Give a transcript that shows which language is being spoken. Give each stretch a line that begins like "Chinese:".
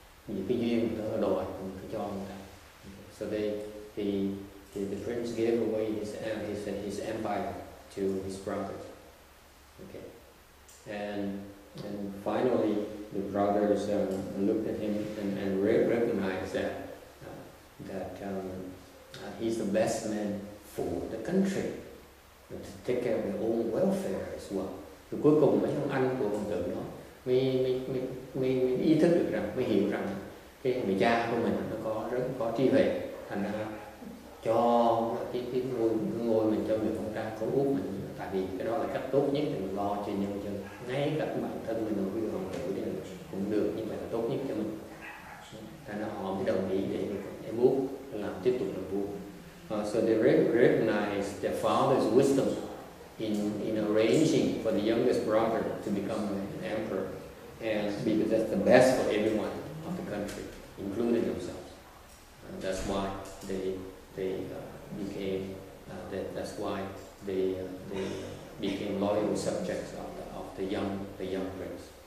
Vietnamese: Vì cái duyên mình đã đòi mình phải cho người ta.
English: So the prince gave away his empire to his brothers. Okay. And finally, the brothers looked at him and recognized that he's the best man for the country, to take care of their own welfare as well.
Vietnamese: Thì cuối cùng mấy ông anh của hoàng tử đó mới ý thức được rằng, mới hiểu rằng cái người cha của mình nó có rất có trí huệ, thành ra cho cái ngôi mình cho người con trai có út mình, tại vì cái đó là cách tốt nhất để mình lo cho nhân dân. Ngay cả bản thân mình ở quê hoàng tử thì cũng được, nhưng mà là tốt nhất cho mình. Thành ra họ mới đồng ý để em út làm tiếp tục làm vua.
English: So they recognize their father's wisdom in arranging for the youngest brother to become an emperor, and because that's the best for everyone of the country, including themselves. That's why they became loyal subjects of the young prince.